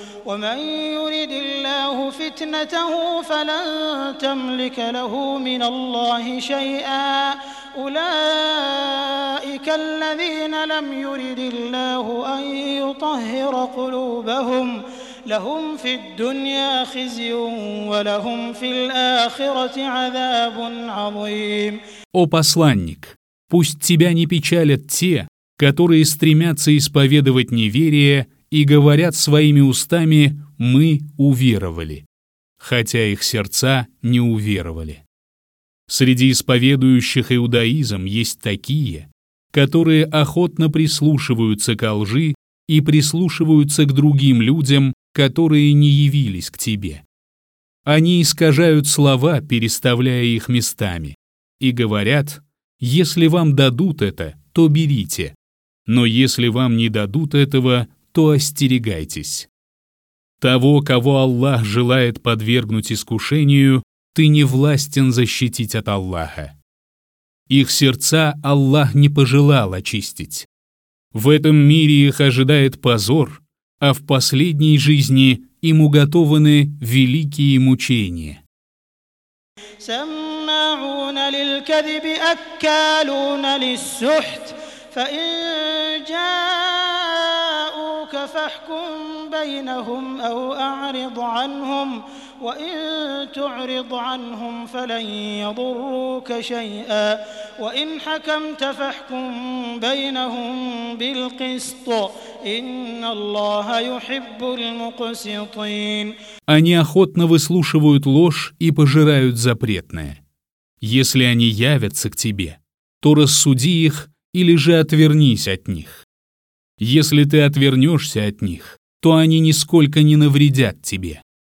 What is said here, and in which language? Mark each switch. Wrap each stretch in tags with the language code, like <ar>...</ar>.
<ar>ومن يرد الله فتنته فلن تملك له من الله شيئا أولئك الذين لم يرد الله أن يطهر قلوبهم لهم في الدنيا خزي ولهم في الآخرة عذاب عظيم.</ar> <ru>О посланник, пусть тебя не печалят те, которые стремятся исповедовать неверие и говорят своими устами «мы уверовали», хотя их сердца не уверовали. Среди исповедующих иудаизм есть такие, которые охотно прислушиваются ко лжи и прислушиваются к другим людям, которые не явились к тебе. Они искажают слова, переставляя их местами, и говорят, если вам дадут это, то берите, но если вам не дадут этого, то остерегайтесь. Того, кого Аллах желает подвергнуть искушению, ты не властен защитить от Аллаха. Их сердца Аллах не пожелал очистить. В этом мире их ожидает позор, а в последней жизни им уготованы великие мучения.</ru> <ar>سماعون للكذب أكالون للسحت فإن جاءوك فاحكم بينهم أو أعرض عنهم وإن تعرض عنهم فلن يضروك شيئا وإن حكمت فاحكم بينهم بالقسط إن الله يحب المقسطين.</ar> <ru>Они охотно выслушивают ложь и пожирают запретное. Если они явятся к тебе, то рассуди их или же отвернись от них. Если ты отвернешься от них, то они нисколько не навредят тебе.</ru>